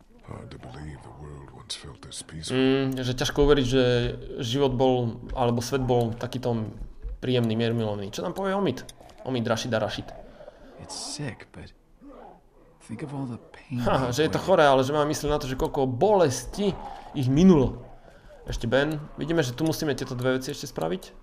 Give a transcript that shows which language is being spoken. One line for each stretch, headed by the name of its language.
English: Hard to believe the world once felt this peaceful.
Slovak: Že ťažko uveriť, že život bol, alebo svet bol takýto príjemný, miermilovný. Čo nám povie Omid? Omid Rashid a Rashid.
English: It's sick, but think of all the pain.
Slovak: Ha, že je to choré, ale že mám mysliť na to, že koľko bolesti ich minulo. Ešte Ben. Vidíme, že tu musíme tieto dve veci ešte spraviť.